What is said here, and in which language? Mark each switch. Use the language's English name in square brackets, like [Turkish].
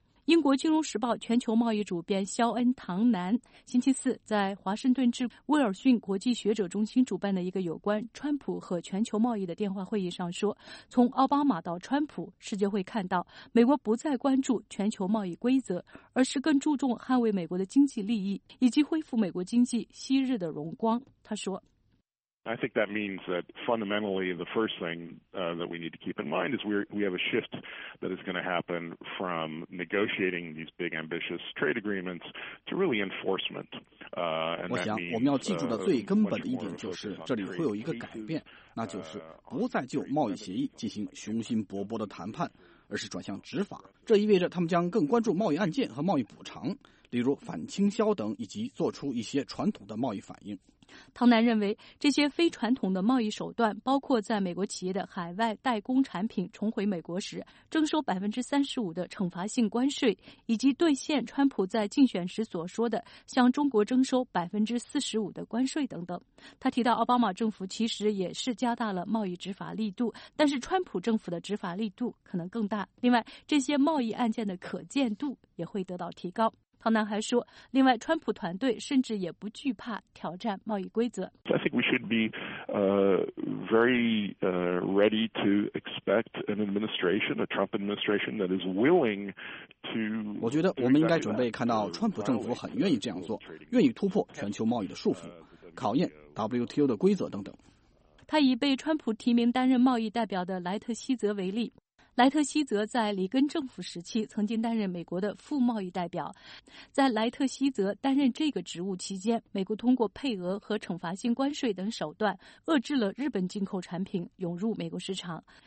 [Chinese] 英国金融时报全球贸易主编肖恩·唐南星期四在华盛顿至威尔逊国际学者中心主办的一个有关川普和全球贸易的电话会议上说，从奥巴马到川普，世界会看到美国不再关注全球贸易规则，而是更注重捍卫美国的经济利益以及恢复美国经济昔日的荣光。他说， [English] I think that means that fundamentally the first thing that we need to keep in mind is we have a shift that is going to happen from negotiating these big ambitious trade agreements to really enforcement. [Chinese] 我想我们要记住的最根本的一点就是这里会有一个改变，那就是不再就贸易协议进行雄心勃勃的谈判，而是转向执法。这意味着他们将更关注贸易案件和贸易补偿，例如反倾销等，以及做出一些传统的贸易反应。汤南认为，这些非传统的贸易手段包括在美国企业的海外代工产品重回美国时征收35%的惩罚性关税，以及兑现川普在竞选时所说的向中国征收45%的关税等等。他提到奥巴马政府其实也是加大了贸易执法力度，但是川普政府的执法力度可能更大。另外，这些贸易案件的可见度也会得到提高。唐南还说，另外，川普团队甚至也不惧怕挑战贸易规则。 [English] I think we should be very ready to expect an administration, a Trump administration that is willing to. [Chinese] 我觉得我们应该准备看到川普政府很愿意这样做，愿意突破全球贸易的束缚，考验 WTO 的规则等等。他以被川普提名担任贸易代表的莱特希泽为例。莱特希泽在里根政府时期曾经担任美国的副贸易代表，在莱特希泽担任这个职务期间，美国通过配额和惩罚性关税等手段遏制了日本进口产品涌入美国市场。